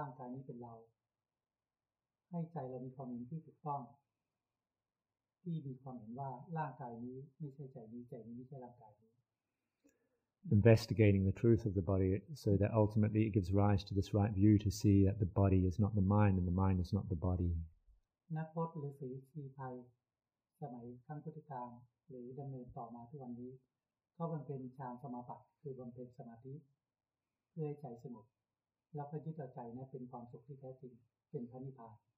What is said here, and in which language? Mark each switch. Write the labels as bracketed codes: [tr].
[th] ให้ใจเรามีความเห็นที่ถูกต้องที่มีความเห็นว่าร่างกายนี้ไม่ใช่ใจนี้ใจนี้ไม่ใช่ร่างกายนี้ [en] Investigating the truth of the body so that ultimately it gives rise to this right view to see that the body is not the mind and the mind is not the body [th] นักปฏิบัติฤาษีชีพัยสมัยครั้งพุทธกาลหรือดำเนินต่อมาทุกวันนี้ก็บำเพ็ญฌานสมาบัติคือบำเพ็ญสมาธิเพื่อให้ใจสงบแล้วก็ยึดต่อใจนะเป็นความสุขที่แท้จริงเป็นพระนิพพาน